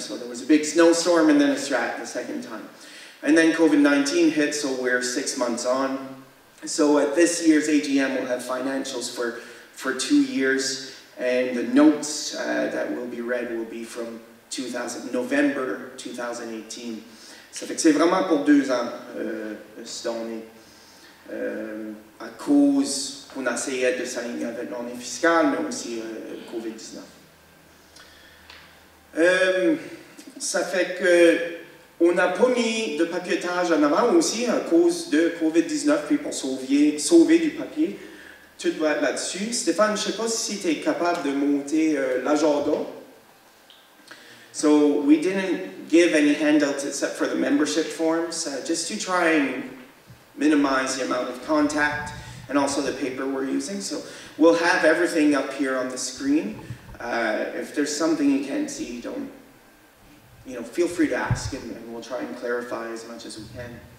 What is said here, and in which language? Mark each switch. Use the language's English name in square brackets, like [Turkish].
[English] So there was a big snowstorm and then a strat the second time. And then COVID-19 hit, so we're 6 months on. So at this year's AGM, we'll have financials for 2 years, and the notes that will be read will be from November 2018. [French] Ça fait que c'est vraiment pour 2 ans, cette année. À cause qu'on essayait de s'aligner avec l'année fiscale, mais aussi COVID-19. Ça fait que on n'a pas mis de papiertage en avant aussi à cause de COVID-19, puis pour sauver du papier. Tout va être là-dessus. Stéphane, je ne sais pas si tu es capable de monter l'agenda. [English] So we didn't give any handouts except for the membership forms, just to try and minimize the amount of contact and also the paper we're using. So we'll have everything up here on the screen. If there's something you can't see, feel free to ask, and we'll try and clarify as much as we can.